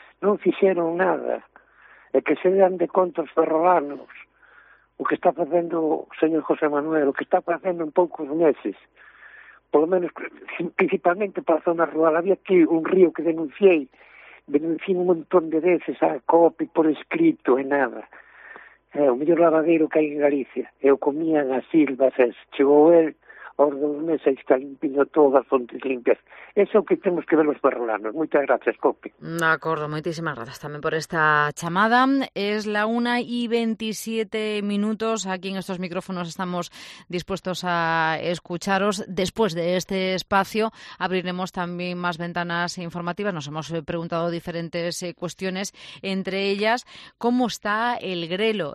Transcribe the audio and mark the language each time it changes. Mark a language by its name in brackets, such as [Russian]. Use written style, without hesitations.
[Galician] Non fixeron nada. É que se dan de conta os ferrolanos o que está facendo o señor José Manuel, o que está facendo en poucos meses. [Spanish] Por lo menos, principalmente [Galician] para a zona rural. [Spanish] Había aquí un río que denuncié un montón de veces a COPE por escrito e nada. [Galician] O mellor lavadero que hai en Galicia. Eu comía nas silvas, chegou el, aos dos meses está limpiño todas as fontes limpias. Eso é o que temos que ver os ferrolanos. Moitas gracias, COPE. De acordo, moitísimas gracias tamén por esta chamada. [Spanish] Es la 1:27. Aquí en estos micrófonos estamos dispuestos a escucharos. Después de este espacio abriremos también más ventanas informativas. Nos hemos preguntado diferentes cuestiones, entre ellas, ¿cómo está el grelo?